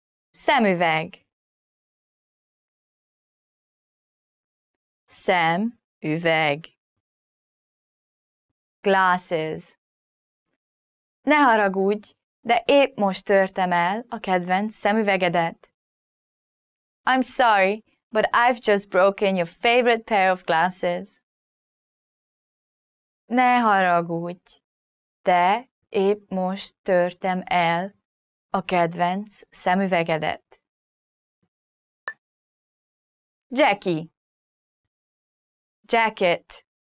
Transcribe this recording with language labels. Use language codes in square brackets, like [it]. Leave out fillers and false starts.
[hu] Szemüveg. Szemüveg. [en] Glasses. [hu] Ne haragudj, de épp most törtem el a kedvenc szemüvegedet. [en] I'm sorry, but I've just broken your favorite pair of glasses. [hu] Ne haragudj, de épp most törtem el a kedvenc szemüvegedet. Jackie. [en] Jacket.